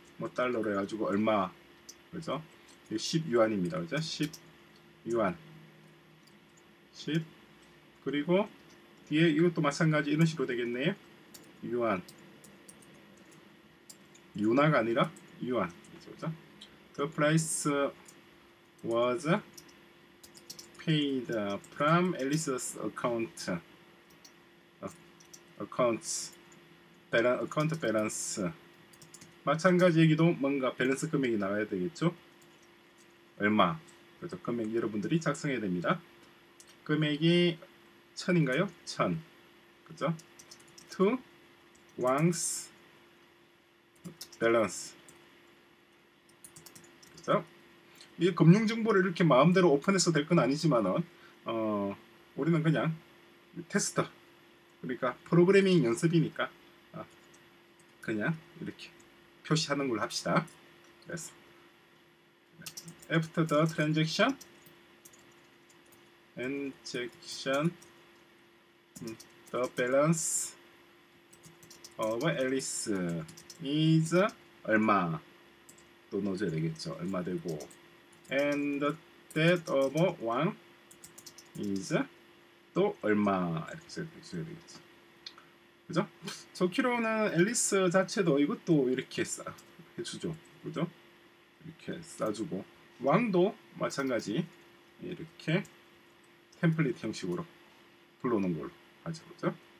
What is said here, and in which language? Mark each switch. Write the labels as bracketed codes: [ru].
[ko] 뭐 달러로 해가지고 얼마, 그죠? 10유안입니다. 그죠? 10유안 10 그리고 뒤에 이것도 마찬가지 이런 식으로 되겠네요. 유안 유나가 아니라 유안. 그죠? [en] The price was paid from Alice's account. Account balance. [ko] 마찬가지 얘기도 뭔가 밸런스 금액이 나와야 되겠죠. 얼마. 그래서 금액 여러분들이 작성해야 됩니다. 금액이 1000인가요? 1000. 그죠? [en] To Wang's balance. [ko] 그죠? 이 금융 정보를 이렇게 마음대로 오픈해서 될 건 아니지만은 우리는 그냥 테스터, 그러니까 프로그래밍 연습이니까 그냥 이렇게 표시하는 걸 합시다. 그래서 [en] after the transaction, injection, the balance of Alice is [ko] 얼마 또 넣어줘야 되겠죠. 얼마 되고 [en] and the debt of Wang [ko] is 또 얼마 이렇게 써야 되겠지. 그죠? 적기로는 앨리스 자체도 이것도 이렇게 써 해주죠. 그죠? 이렇게 써주고 왕도 마찬가지 이렇게 템플릿 형식으로 불러놓은 걸로 하죠. 그죠?